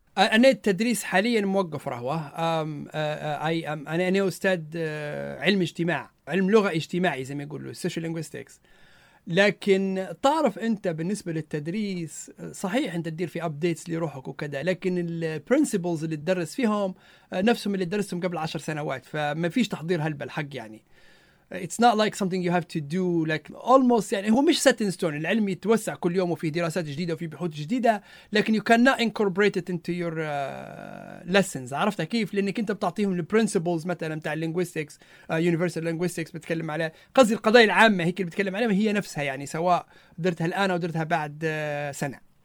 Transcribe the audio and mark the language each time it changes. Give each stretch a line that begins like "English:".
Arabic: أنا التدريس حاليا موقف رهوة. أنا أستاذ علم اجتماع، علم لغة اجتماعي زي ما يقولوا social linguistics. لكن تعرف أنت بالنسبة للتدريس صحيح أنت تدير في updates لروحك وكذا، لكن principles اللي تدرس فيهم نفسهم اللي تدرسهم قبل 10 سنوات، فما فيش تحضير هلب الحق يعني.
English: It's not like something you have to do like almost
Arabic: يعني، هو مش
English: set in stone.
Arabic: العلم يتوسع كل يوم وفيه دراسات جديدة وفيه بحوث جديدة، لكن
English: you cannot incorporate it into your lessons.
Arabic: عرفت كيف؟ لأنك أنت بتعطيهم
English: the principles
Arabic: مثلا متاع linguistics universal linguistics بتكلم على قصدي القضايا العامة هيك اللي بتكلم عليها، هي نفسها يعني سواء درتها الآن أو درتها بعد سنة.